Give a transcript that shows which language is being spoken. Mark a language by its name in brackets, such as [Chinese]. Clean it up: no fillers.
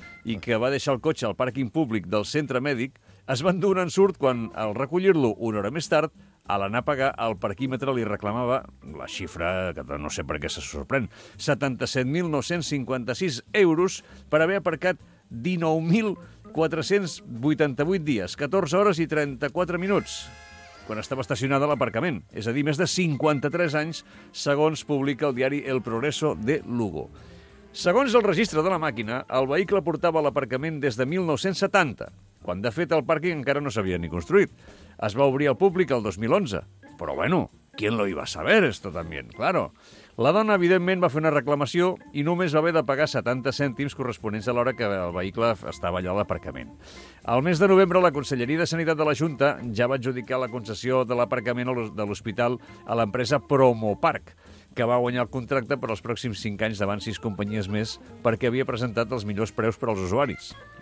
[Catalan] i que va deixar el cotxe al pàrquing públic del centre mèdic, es va endur un ensurt quan, al recollir-lo una hora més tard, a l'anar a pagar, el parquímetre li reclamava la xifra, que no sé per què se sorprèn, 77.956 euros per haver aparcat 19.488 dies, 14 hores i 34 minuts, quan estava estacionada a l'aparcament. És a dir, més de 53 anys, segons publica el diari El Progreso de Lugo. Segons el registre de la màquina, el vehicle portava l'aparcament des de 1970, quan, de fet, el pàrquing encara no s'havia ni construït. Es va obrir al públic el 2011. [Spanish] Però, bueno, ¿quién lo iba a saber, esto también? Claro. [Catalan] La dona, evidentment, va fer una reclamació i només va haver de pagar 70 cèntims corresponents a l'hora que el vehicle estava allà a l'aparcament. Al mes de novembre, la Conselleria de Sanitat de la Junta ja va adjudicar la concessió de l'aparcament de l'hospital a l'empresa Promopark, que va guanyar el contracte per als pròxims 5 anys davant 6 companyies més perquè havia presentat els millors preus per als usuaris.